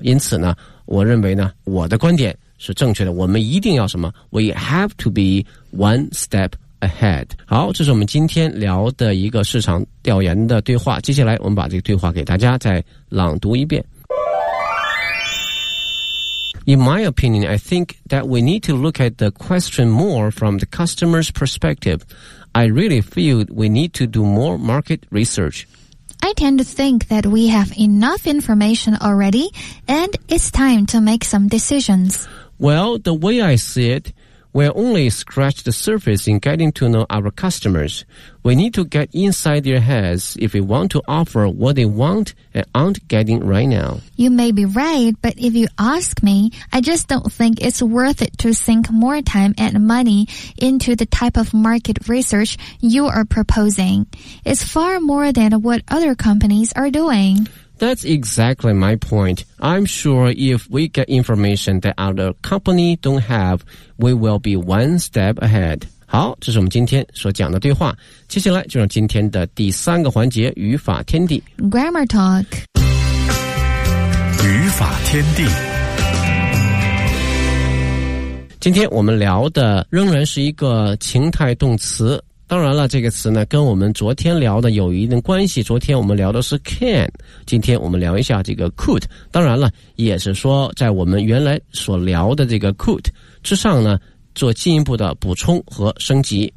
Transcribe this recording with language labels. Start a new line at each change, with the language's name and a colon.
Chinese: 因此呢，我认为呢，我的观点是正确的。
English: 我们一定要什么？We have to be one step ahead。
Chinese: 好，这是我们今天聊的一个市场调研的对话。接下来，我们把这个对话给大家再朗读一遍。
English: In my opinion, I think that we need to look at the question more from the customer's perspective. I really feel we need to do more market research. I tend to think that we have enough information already, and it's time to make some decisions. Well, the way I see it, we're only scratched the surface in getting to know our customers. We need to get inside their heads if we want to offer what they want and aren't getting right now. You may be right, but if you ask me, I just don't think it's worth it to sink more time and money into the type of market research you are proposing. It's far more than what other companies are doing. That's exactly my point. I'm sure if we get information that other company don't have, we will be one step ahead.
Chinese: 好，这是我们今天所讲的对话。接下来就让今天的第三个环节语法天地
English: Grammar Talk
Chinese: 语法天地今天我们聊的仍然是一个情态动词当然了这个词呢跟我们昨天聊的有一定关系昨天我们聊的是 can 今天我们聊一下这个 could 当然了也是说在我们原来所聊的这个 could 之上呢做进一步的补充和升级